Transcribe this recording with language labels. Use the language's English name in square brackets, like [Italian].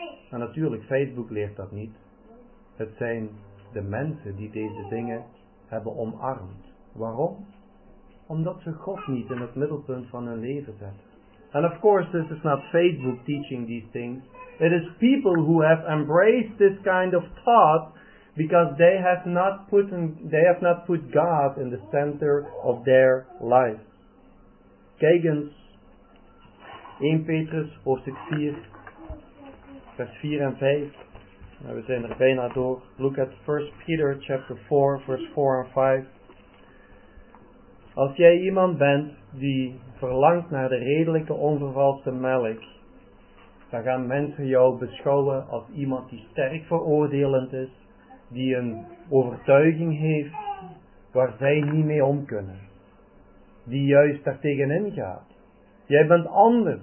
[Dutch] En natuurlijk, Facebook leert dat niet. Het zijn de mensen die deze dingen hebben omarmd. Waarom? Omdat ze God niet in het middelpunt van hun leven zetten. [English] And of course, this is not Facebook teaching these things. It is people who have embraced this kind of thought because they have not put God in the center of their life. [Dutch] Kijk eens, 1 Petrus hoofdstuk 4, vers 4 en 5. We zijn er bijna door. [English] Look at 1 Peter chapter 4, [Dutch] vers 4 en 5. Als jij iemand bent die verlangt naar de redelijke onvervalste melk, dan gaan mensen jou beschouwen als iemand die sterk veroordelend is, die een overtuiging heeft waar zij niet mee om kunnen, die juist daar tegenin gaat. Jij bent anders.